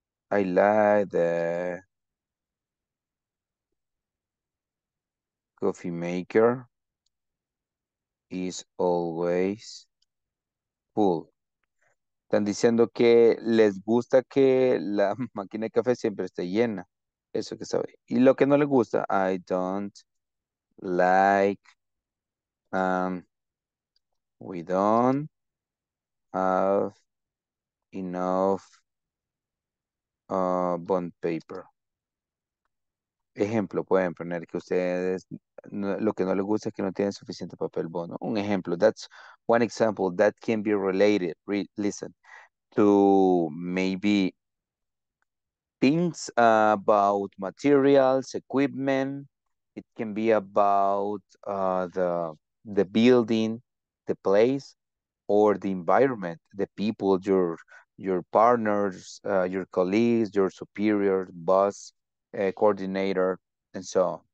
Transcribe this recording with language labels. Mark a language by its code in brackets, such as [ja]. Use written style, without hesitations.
[en] I like the coffee maker is always full. [es] Están diciendo que les gusta que la máquina de café siempre esté llena. Eso que sabe. Y lo que no les gusta, [en] I don't like, we don't have enough bond paper. [es] Ejemplo, pueden poner que ustedes, no, lo que no les gusta es que no tienen suficiente papel bono. Un ejemplo, [en] that's one example that can be related, listen, to maybe things about materials, equipment. It can be about the building, the place, or the environment, the people, your partners, your colleagues, your superior, boss, coordinator, and so on.